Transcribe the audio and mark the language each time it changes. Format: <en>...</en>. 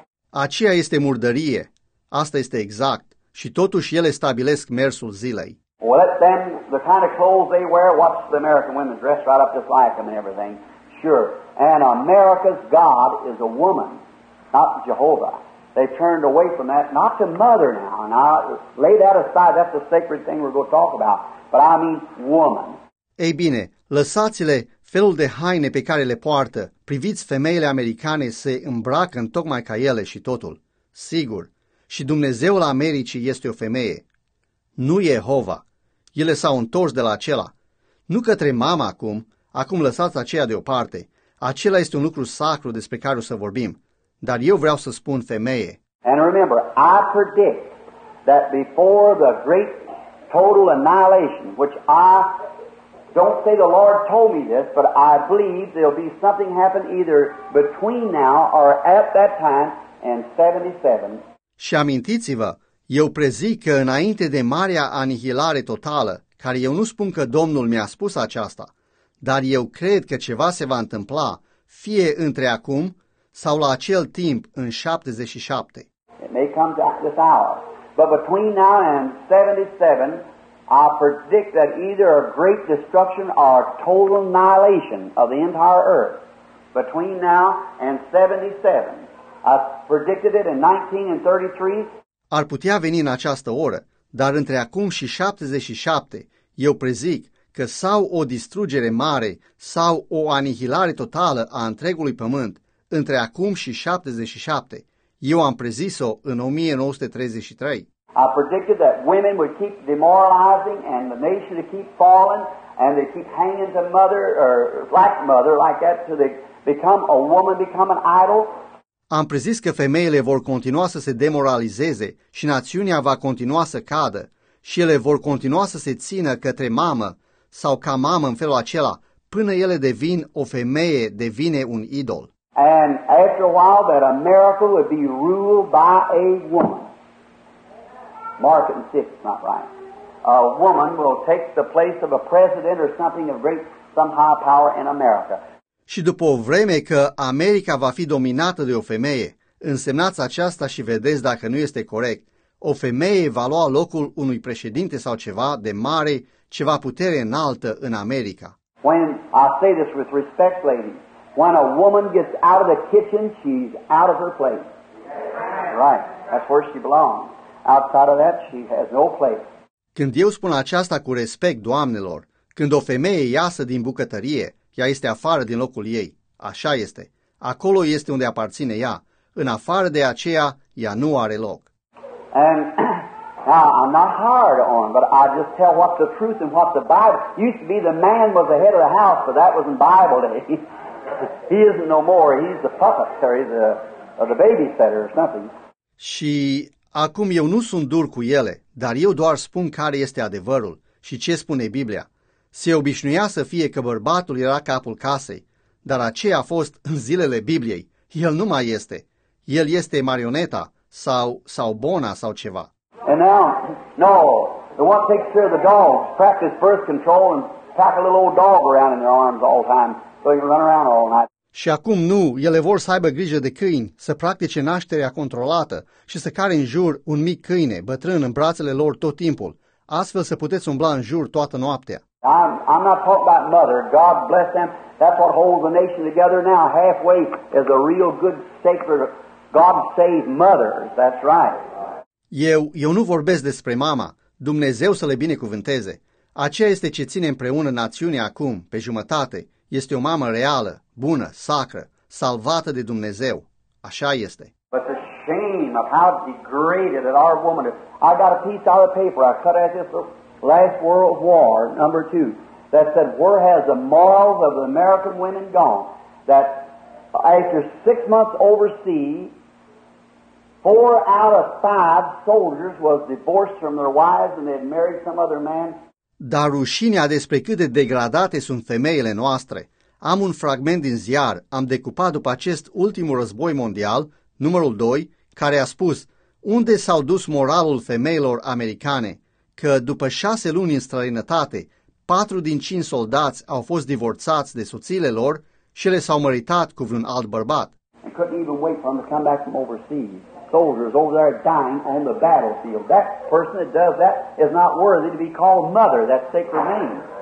<ro>Aceea este murdărie. Asta este exact. Și totuși ele stabilesc mersul zilei.</ro> <en>Well, let them, the kind of clothes they wear, watch the American women dress right up just like them and everything. Sure. And America's God is a woman, not Jehovah. They turned away from that, not to mother now. Now, lay that aside, that's the sacred thing we're going to talk about. But I mean woman.</en> <ro>Ei bine, lăsați-le felul de haine pe care le poartă. Priviți femeile americane se îmbracă în tocmai ca ele și totul. Sigur. Și Dumnezeul Americii este o femeie. Nu Jehova. Ele s-au întors de la acela. Nu către mama acum. Acum lăsați aceea deoparte. Acela este un lucru sacru despre care o să vorbim. Dar eu vreau să spun femeie.</ro> <en>And remember, I predict that before the great total annihilation, which I don't say the Lord told me this, but I believe there'll be something happen either between now or at that time and 77.</en> <ro>Și amintiți-vă, eu prezic că înainte de marea anihilare totală, care eu nu spun că Domnul mi-a spus aceasta, dar eu cred că ceva se va întâmpla, fie între acum sau la acel timp în 77.</ro> <en>It may come to this hour, but between now and 77, I predict that either a great destruction or a total annihilation of the entire earth, between now and 77. I predicted it in 1933.</en> <ro>Ar putea veni în această oră, dar între acum și 77, eu prezic că sau o distrugere mare sau o anihilare totală a întregului pământ, între acum și 77, eu am prezis-o în 1933.</ro> <en>I predicted that women would keep demoralizing and the nation would keep falling and they keep hanging to mother or black mother like that to become a woman, become an idol.</en> <ro>Am prezis că femeile vor continua să se demoralizeze și națiunea va continua să cadă și ele vor continua să se țină către mamă sau ca mamă în felul acela până ele devin o femeie, devine un idol.</ro> <en>And after a while that America would be ruled by a woman. Mark it and see if it's not right. A woman will take the place of a president or something of great, some high power in America.</en> <ro>Și după o vreme că America va fi dominată de o femeie, însemnați aceasta și vedeți dacă nu este corect, o femeie va lua locul unui președinte sau ceva de mare, ceva putere înaltă în America.</ro> <en>When I say this with respect, lady, when a woman gets out of the kitchen, she's out of her place. Right, that's where she belongs. Outside of that, she has no place.</en> <ro>Când eu spun aceasta cu respect, doamnelor, când o femeie iasă din bucătărie, ea este afară din locul ei. Așa este. Acolo este unde aparține ea. În afară de aceea, ea nu are loc.</ro> <en>And Now, I'm not hard on, but I just tell what the truth and what the Bible. Used to be the man was the head of the house, but that was in Bible days. He isn't no more. He's the puppet, or he's the babysitter or something.</en> <ro>Și acum eu nu sunt dur cu ele, dar eu doar spun care este adevărul și ce spune Biblia. Se obișnuia să fie că bărbatul era capul casei, dar aceea a fost în zilele Bibliei. El nu mai este. El este marioneta sau bona sau ceva.</ro> <en>And now, no, the one takes care of the dogs, practice birth control and pack a little old dog around in their arms all the time so he can run around all night.</en> <ro>Și acum nu, ele vor să aibă grijă de câini, să practice nașterea controlată și să care în jur un mic câine bătrân în brațele lor tot timpul, astfel să puteți umbla în jur toată noaptea.</ro> <en>I'm not talking about mother. God bless them. That's what holds the nation together now. Halfway is a real good sacred God-saved mother. That's right.</en> <ro>Eu nu vorbesc despre mama. Dumnezeu să le binecuvânteze. Aceea este ce ține împreună națiunea acum, pe jumătate. Este o mamă reală, bună, sacră, salvată de Dumnezeu. Așa este.</ro> <en>But the shame of how degraded that our woman is. I got a piece out of paper. I cut out this last World War, number two, that said, where has the morals of the American women gone? That after 6 months overseas, 4 out of 5 soldiers was divorced from their wives and they had married some other man.</en> <ro>Dar rușinea despre cât de degradate sunt femeile noastre. Am un fragment din ziar, am decupat după acest ultimul război mondial, numărul 2, care a spus, unde s-au dus moralul femeilor americane? Că după 6 luni în străinătate, 4 din 5 soldați au fost divorțați de soțiile lor și le s-au măritat cu vreun alt bărbat.</ro> <en>And couldn't even wait for them to come back from overseas. Soldiers over there dying on the battlefield. That person that does that is not worthy to be called mother, that sacred name.</en>